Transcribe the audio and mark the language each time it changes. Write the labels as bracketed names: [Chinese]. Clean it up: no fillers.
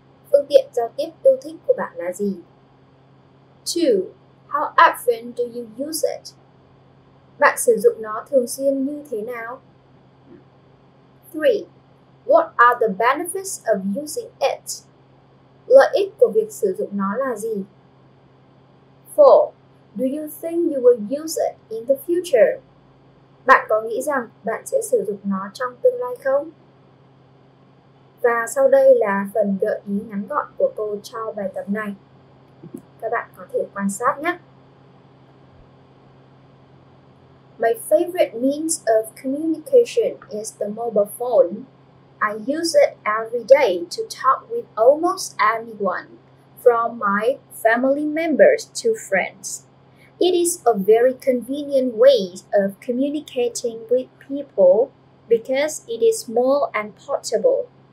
[Vietnamese] Phương tiện giao tiếp yêu thích của bạn là gì? 2. [English] How often do you use it? [Vietnamese] Bạn sử dụng nó thường xuyên như thế nào? 3. [English] What are the benefits of using it? [Vietnamese] Lợi ích của việc sử dụng nó là gì? 4. [English] Do you think you will use it in the future? [Vietnamese] Bạn có nghĩ rằng bạn sẽ sử dụng nó trong tương lai không? Và sau đây là phần gợi ý ngắn gọn của cô cho bài tập này. Các bạn có thể quan sát nhé. [English] My favorite means of communication is the mobile phone. I use it every day to talk with almost anyone, from my family members to friends. It is a very convenient way of communicating with people because it is small and portable.